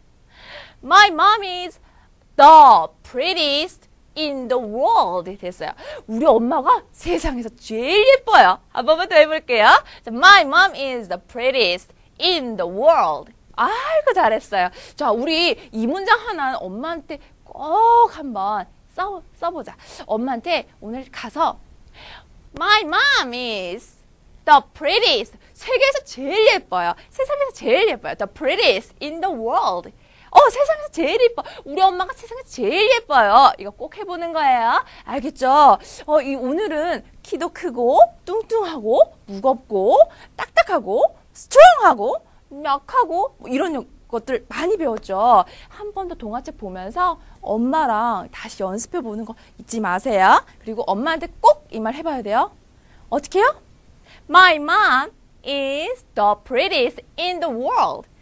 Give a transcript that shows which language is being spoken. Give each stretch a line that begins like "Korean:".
English: 자. My mom is the prettiest in the world.
Korean: 됐어요. 우리 엄마가 세상에서 제일 예뻐요. 한 번만 더 해볼게요.
English: 자, My mom is the prettiest in the world.
Korean: 아이고, 잘했어요. 자, 우리 이 문장 하나는 엄마한테 꼭 한번 써보자. 엄마한테 오늘 가서
English: My mom is the prettiest.
Korean: 세계에서 제일 예뻐요. 세상에서 제일 예뻐요.
English: The prettiest in the world.
Korean: 세상에서 제일 예뻐. 우리 엄마가 세상에서 제일 예뻐요. 이거 꼭 해보는 거예요. 알겠죠? 이 오늘은 키도 크고, 뚱뚱하고, 무겁고, 딱딱하고, 스트롱하고, 약하고 뭐 이런 것들 많이 배웠죠. 한번더 동화책 보면서 엄마랑 다시 연습해 보는 거 잊지 마세요. 그리고 엄마한테 꼭이말 해봐야 돼요. 어떻게요?
English: My mom is the prettiest in the world.